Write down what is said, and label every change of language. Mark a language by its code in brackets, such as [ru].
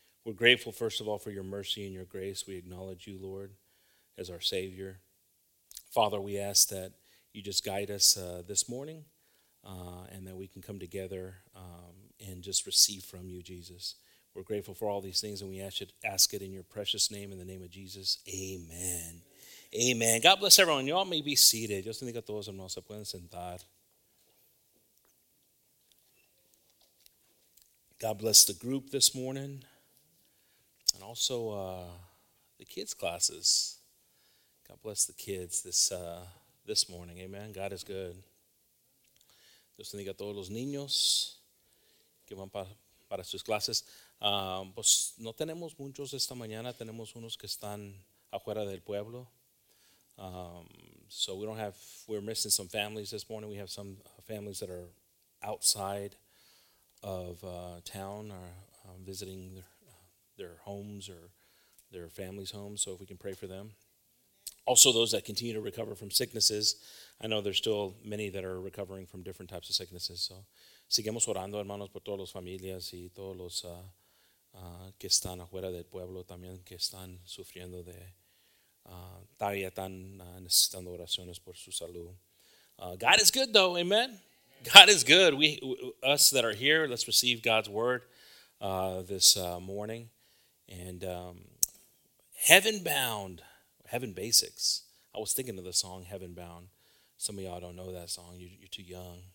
[en] We're grateful, first of all, for your mercy and your grace. We acknowledge you, Lord, as our Savior. Father, we ask that you just guide us this morning and that we can come together and just receive from you, Jesus. We're grateful for all these things, and we ask it in your precious name, in the name of Jesus. Amen. Amen. God bless everyone. You all may be seated. [es] Dios bendiga a todos, hermanos. Se pueden sentar. [en] God bless the group this morning, and also the kids' classes. God bless the kids this morning. Amen. God is good. [es] Dios bendiga a todos los niños que van para sus clases. Pues no tenemos muchos esta mañana. Tenemos unos que están afuera del pueblo. [en] So we're missing some families this morning. We have some families that are outside of town or visiting their homes or their family's homes. So if we can pray for them. Also, those that continue to recover from sicknesses. I know there's still many that are recovering from different types of sicknesses. [es] So, seguimos orando, hermanos, por todas las familias y todos los que están afuera del pueblo también, que están sufriendo de, todavía están necesitando oraciones por su salud. [en] God is good, though. Amen. God is good. Us that are here, let's receive God's word this morning. And heaven-bound. Heaven Basics. I was thinking of the song Heaven Bound. Some of y'all don't know that song. You're too young.